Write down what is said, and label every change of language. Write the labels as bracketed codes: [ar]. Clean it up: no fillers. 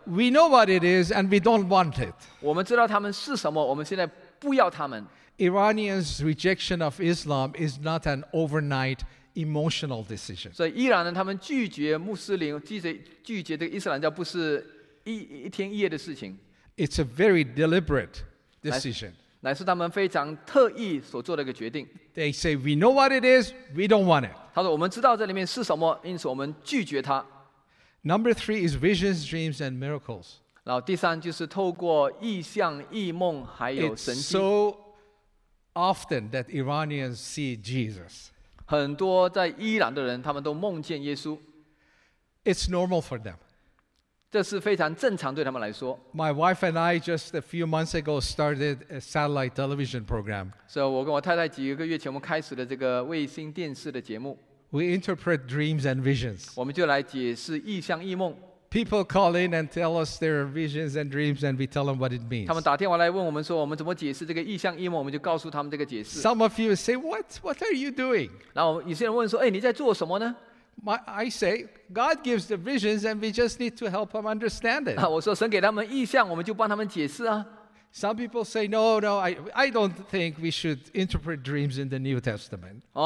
[en] We know what it is and we don't want it. [zh] 我们知道他们是什么,我们现在不要他们。 [en] Iranians' rejection of Islam is not an overnight emotional decision. [zh] 所以伊朗人他们拒绝穆斯林,拒绝这个伊斯兰教不是一天一夜的事情。 [en] It's a very deliberate decision. [zh] 乃是他们非常特意所做的一个决定。 [en] They say, we know what it is, we don't want it. [zh] 他说我们知道这里面是什么,因此我们拒绝它。 [en] Number three is visions, dreams, and miracles. [zh] 然后第三就是透过异象,异梦,还有神迹。 [en] It's so often that Iranians see Jesus. [zh] 很多在伊朗的人,他们都梦见耶稣。 [en] It's normal for them. [zh] 这是非常正常对他们来说。 [en] My wife and I just a few months ago started a satellite television program. [zh] 所以我跟我太太几个月前我们开始了这个卫星电视的节目。 [en] We interpret dreams and visions. [zh] 我们就来解释异象异梦。 [en] People call in and tell us their visions and dreams and we tell them what it means. [zh] 他们打电话来问我们说我们怎么解释这个异象异梦，我们就告诉他们这个解释。 [en] Some of you say, what are you doing? [zh] 然后有些人问说，哎，你在做什么呢？ [en] I say, God gives the visions and we just need to help them understand it. [zh] 我说神给他们意象，我们就帮他们解释啊。 [en] Some people say, no, I don't think we should interpret dreams in the New Testament.